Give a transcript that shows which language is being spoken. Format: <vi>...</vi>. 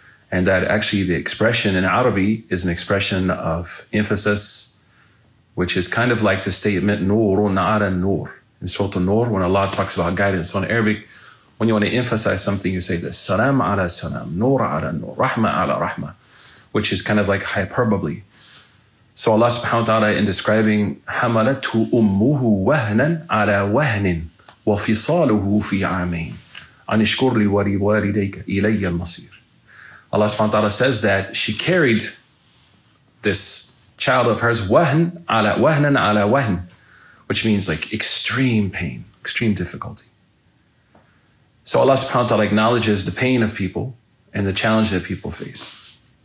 <en>And that actually the expression in Arabic is an expression of emphasis, which is kind of like the statement, nurun ala nur. In Surah An-Nur, when Allah talks about guidance. So in Arabic, when you want to emphasize something, you say this, salam ala salam, nur ala nur, rahma ala rahma, which is kind of like hyperbole. So Allah subhanahu wa ta'ala in describing</en> <ar>حَمَلَتْهُ أُمُّهُ وَهْنًا عَلَى وَهْنٍ وَفِصَالُهُ فِي عَامَيْنِ أَنِشْكُرْ لِي وَلِوَالِدَيْكَ إِلَيَّ الْمَصِيرِ.</ar> <en>Allah subhanahu wa ta'ala says that she carried this child of hers</en> <ar>وَهْنًا عَلَى وَهْنٍ,</ar> <en>which means like extreme pain, extreme difficulty. So Allah subhanahu wa ta'ala acknowledges the pain of people and the challenge that people face.</en>